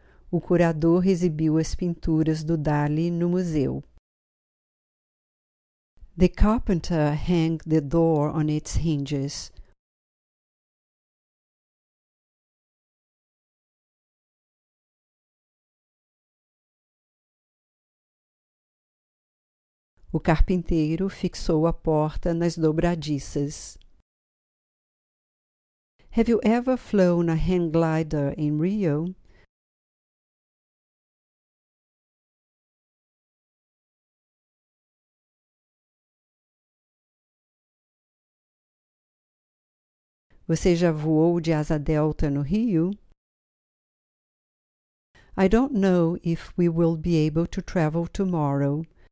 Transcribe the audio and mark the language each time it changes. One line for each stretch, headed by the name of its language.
Portuguese: O curador exibiu as pinturas do Dali no museu.
English: The carpenter hung the door on its hinges.
Portuguese: O carpinteiro fixou a porta nas dobradiças.
English: Have you ever flown a hang glider in Rio?
Portuguese: Você já voou de asa delta no Rio?
English: I don't know if we will be able to travel tomorrow.